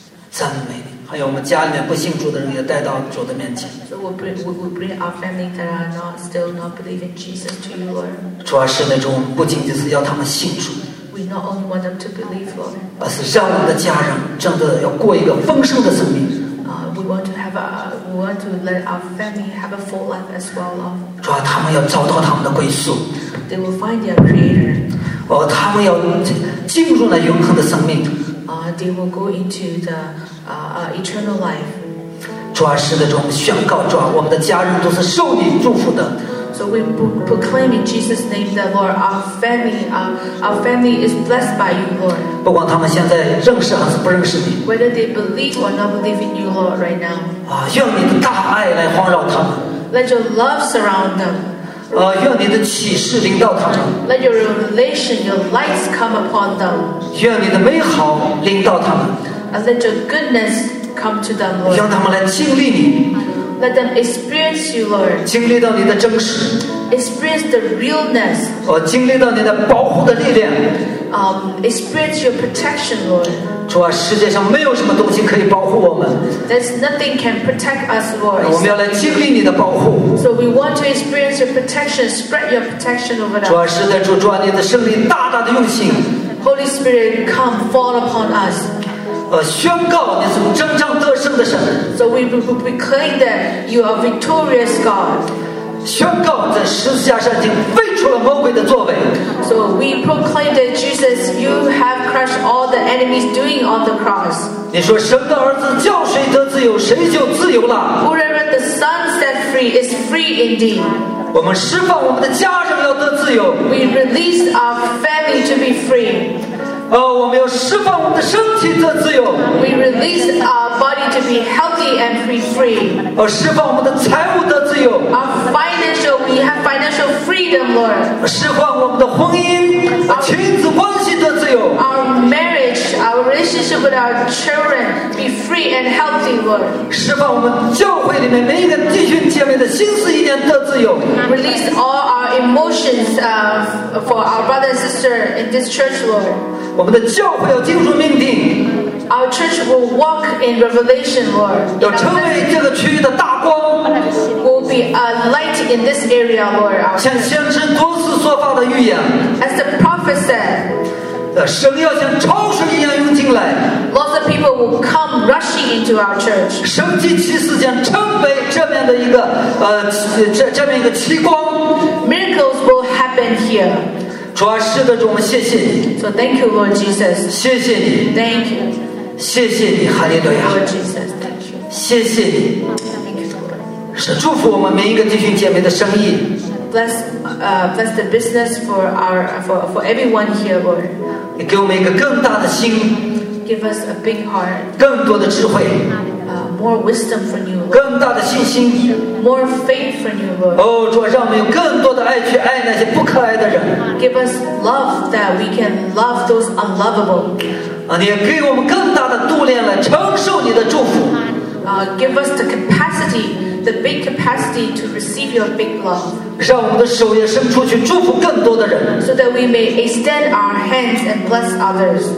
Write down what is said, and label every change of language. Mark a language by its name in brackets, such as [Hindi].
[Chinese] 赞美你还有我们家里面不信主的人也带到主的面前 [English] so we bring our family that are not still not believing Jesus to you Lord [Chinese] 主啊是那种不仅仅是要他们信主 [English] we not only want them to believe Lord [Chinese] 而是让我们的家人真的要过一个丰盛的生命 [English] we want to let our family have a full life as well Lord [Chinese] 主啊他们要找到他们的归宿 [English] they will find their creator [Chinese] 他们要进入那永恒的生命。 [English] They will go into the eternal life. [Chinese] 主啊，是的，主，我们宣告，主啊，我们的家人都是受你祝福的。 [English] So we proclaim in Jesus' name that Lord, our family is blessed by you, Lord. [Chinese] 不管他们现在认识还是不认识你。 [English] Whether they believe or not believe in you, Lord, right now. [Chinese] 愿你的大爱来环绕他们。 [English] Let your love surround them. [Chinese] 愿你的启示临到他们。 [English] Let your revelation, your lights come upon them. [Chinese] 愿你的美好临到他们。 [English] And let your goodness come to them, Lord. [Chinese] 让他们来经历你。 [English] Let them experience you, Lord. [Chinese] 经历到你的真实。 [English] Experience the realness. [Chinese] 经历到你的保护的力量。 [English] Experience your protection, Lord. [Chinese] 主啊，世界上没有什么东西可以保护我们。 [English] There's nothing can protect us, Lord. [Chinese] 我们要来经历你的保护。 [English] So we want to experience your protection. Spread your protection over us. [Chinese] 主啊，是的，主啊，你的圣灵大大的运行。 [English] Holy Spirit, come fall upon us. [Chinese] 宣告你是真正得胜的神。 [English] So we proclaim that you are victorious, God. [Chinese] 宣告在十字架上已经废除了魔鬼的作为。 [English] So we proclaim that Jesus, you have crushed all the enemies doing on the cross. [Chinese] 你说神的儿子叫谁得自由，谁就自由了。 [English] Whoever the Son set free is free indeed. [Chinese] 我们释放我们的家人要得自由。 [English] We release our family to be free. [Chinese] 我们要释放我们的身体得自由。 [English] We release our body to be healthy and free free. [Chinese] 释放我们的财务得自由。 [English] Our financial, we have financial freedom, Lord. [Chinese] 释放我们的婚姻、亲子关系得自由。 [English] Our marriage, our relationship with our children, be free and healthy, Lord. [Chinese] 释放我们教会里面每一个弟兄姐妹的心思意念得自由。 [English] Release all our emotions, for our brother and sister in this church, Lord. [Chinese] 我们的教会要进入命定。 [English] Our church will walk in revelation, Lord. [Chinese] 要成为这个区域的大光。 [English] Will be a light in this area, Lord. [Chinese] 像先知多次所发的预言。 [English] As the prophet said. [Chinese] 神要像潮水一样涌进来。 [English] Lots of people will come rushing into our church. [Chinese] 神迹奇事将成为这边的一个这边一个奇光。 [English] Miracles will happen here. [Chinese] 主啊，是的，主，我们谢谢你。 [English] So thank you, Lord Jesus. [Chinese] 谢谢你。 [English] Thank you. [Chinese] 谢谢你，哈利路亚。 [English] Lord Jesus, thank you. [Chinese] 谢谢你。 [English] Thank you, Lord. [Chinese] 是祝福我们每一个弟兄姐妹的生意。 [English] Bless the business for everyone here, Lord. [Chinese] 你给我们一个更大的心。 [English] Give us a big heart. [Chinese] 更多的智慧。 [English] More wisdom from you, Lord. [Chinese] 更大的信心。 [English] More faith from you, Lord. [Chinese] 主啊，让我们有更多的爱去爱那些不可爱的人。 [English] Give us love that we can love those unlovable. [Chinese] 你也给我们更大的度量来承受你的祝福。 [English] Give us the capacity, the big capacity to receive your big love. [Chinese] 让我们的手也伸出去祝福更多的人。 [English] So that we may extend our hands and bless others.